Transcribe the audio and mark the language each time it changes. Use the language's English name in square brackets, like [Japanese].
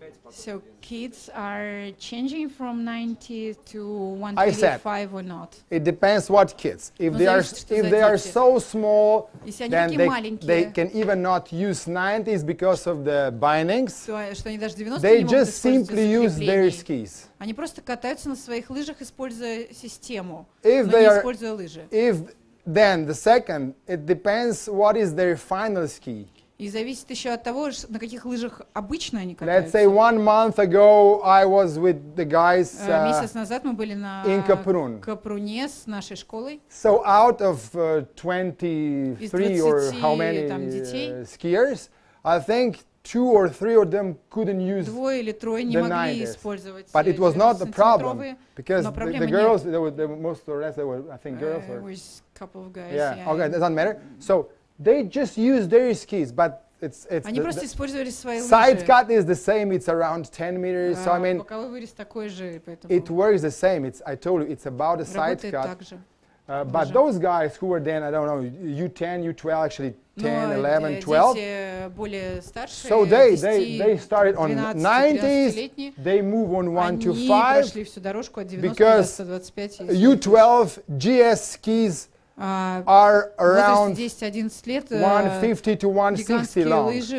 [English] So kids are changing from 90 to 185 or not? It depends what kids. If they are so small, then they can even not use 90s because of the bindings. They just simply use their skis. [Russian] Они просто катаются на своих лыжах, используя систему, но не используя лыжи. [English] Then the second, it depends what is their final ski. [Russian] И зависит еще от того, на каких лыжах обычно они катаются. [English] Let's say 1 month ago I was with the guys. [Russian] Месяц назад мы были на Капруне с нашей школой. [English] So out of 23 or how many skiers, I think two or three of them couldn't use the 90s. [Russian] Двое или трое не могли использовать. [English] But it was not the problem, because the girls, they were the most or less, they were, I think, girls. It was a couple of guys. Yeah. Okay, it doesn't matter. So they just use their skis, but it's [Russian] они просто использовали свои лыжи. [English] Side cut is the same. It's around 10 meters. So I mean, [Russian] боковой вырез такой же, поэтому. [English] It works the same. It's, I told you, it's about a side cut. [Russian] Работает так же. [English] But those guys who were then, I don't know, U10, U12, actually 10, 11, 12. So they started on 90s, they move on 125, because U12 GS skis are around 150 to 160 long.